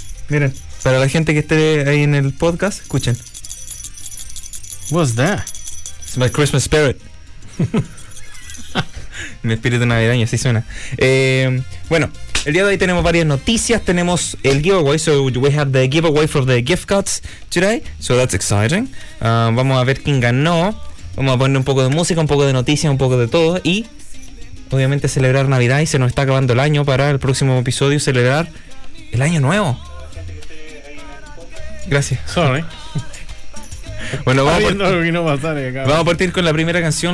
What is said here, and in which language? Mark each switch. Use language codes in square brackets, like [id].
[es] Miren, para la gente que esté ahí en el podcast, escuchen. [en] What's that? It's my Christmas spirit. [es] Mi espíritu navideño, así suena. Bueno, el día de hoy tenemos varias noticias. Tenemos el giveaway. [en] So we have the giveaway for the gift cards today. So that's exciting. [es] Vamos a ver quién ganó. Vamos a poner un poco de música, un poco de noticias, un poco de todo. Y obviamente celebrar Navidad, y se nos está acabando el año para el próximo episodio celebrar el año nuevo. Gracias. [en] Sorry. [es] Bueno, vamos a partir con la primera canción.